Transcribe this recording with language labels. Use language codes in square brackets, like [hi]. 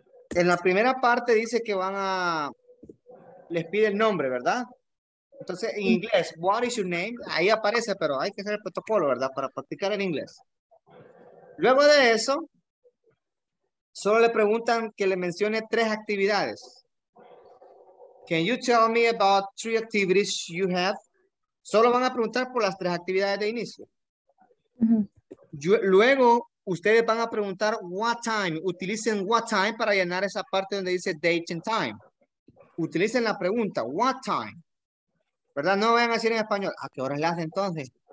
[es] En la primera parte dice que les pide el nombre, ¿verdad? Entonces, en inglés, [en] what is your name? [es] Ahí aparece, pero hay que hacer el protocolo, ¿verdad? Para practicar en inglés. Luego de eso, solo le preguntan que le mencione tres actividades. [en] Can you tell me about three activities you have? [es] Solo van a preguntar por las tres actividades de inicio. Luego ustedes van a preguntar [en] what time, [es] utilicen what time para llenar esa parte donde dice [en] date and time. [es] Utilicen la pregunta [en] what time, [es] ¿verdad? No vayan a decir en español, ¿a qué hora le hace entonces?